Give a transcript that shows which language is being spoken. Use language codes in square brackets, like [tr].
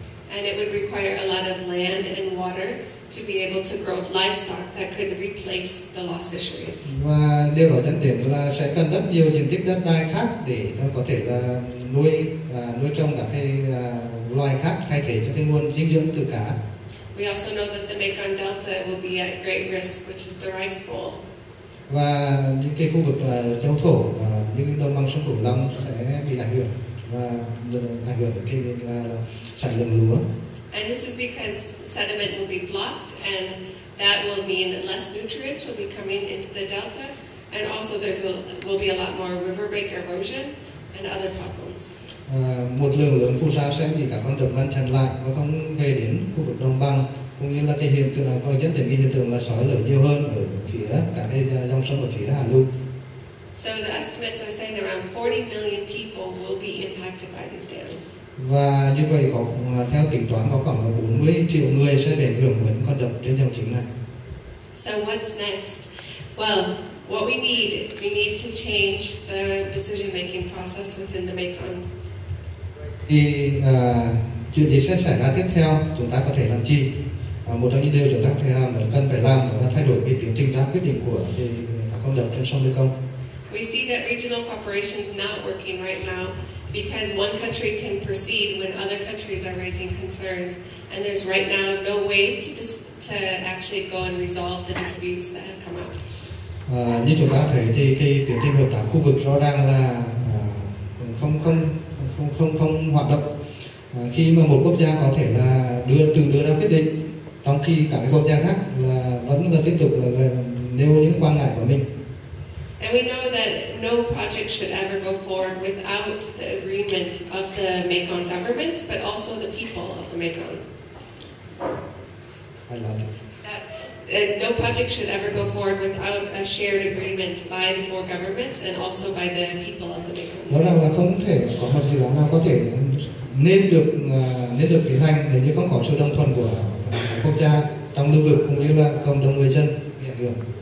[en] And it would require a lot of land and water to be able to grow livestock that could replace the lost fisheries. [vi] Và điều đó dẫn đến là sẽ cần rất nhiều diện tích đất đai khác để có thể là nuôi trong các cái loài khác thay thế cho cái nguồn dinh dưỡng từ cá. [en] We also know that the Mê Công Delta will be at great risk, which is the rice bowl. [vi] Và những cái khu vực châu thổ và những đồng bằng sông Cửu Long sẽ bị ảnh hưởng và ảnh hưởng đến cái sản lượng lúa. [en] And this is because sediment will be blocked, and that will mean less nutrients will be coming into the delta, and also there will be a lot more riverbank erosion and other problems. [vi] Một lượng lớn phù sa sẽ bị cả con đập ngăn chặn lại và không về đến khu vực đồng bằng, cũng như là cái hiện tượng và dẫn đến cái hiện tượng là sỏi lở nhiều hơn ở phía cả cái dòng sông ở phía hạ lưu. [en] So the estimates are saying around 40 million people will be impacted by these dams. [vi] Và như vậy có theo tính toán có khoảng 40 triệu người sẽ bị ảnh hưởng bởi con đập trên dòng chính này. [en] So what's next? Well, what we need to change the decision making process within the Mekong. [vi] Thì chuyện gì sẽ xảy ra tiếp theo, chúng ta có thể làm gì? Một trong những điều chúng ta có thể làm là cần phải làm là thay đổi cái tiến trình ra quyết định của các con đập trên sông Mê Công. [en] We see that regional cooperation is not working right now because one country can proceed when other countries are raising concerns, and there's right now no way to actually go and resolve the disputes that have come up. [vi] Như chúng ta thấy thì cái tiến trình hợp tác khu vực rõ ràng là không hoạt động. Khi mà một quốc gia có thể là đưa ra quyết định, trong khi cả cái quốc gia khác là vẫn là tiếp tục là nêu những quan ngại của mình. [en] And we know that no project should ever go forward without the agreement of the Mekong governments, but also the people of the Mekong. I love it. No project should ever go forward without a shared agreement by the four governments and also by the people of the Mekong. [vi] Nó là không thể có một dự án nào có thể nên được tiến hành nếu như không có sự đồng thuận của quốc gia trong lưu vực cũng như là cộng đồng người dân bị ảnh hưởng.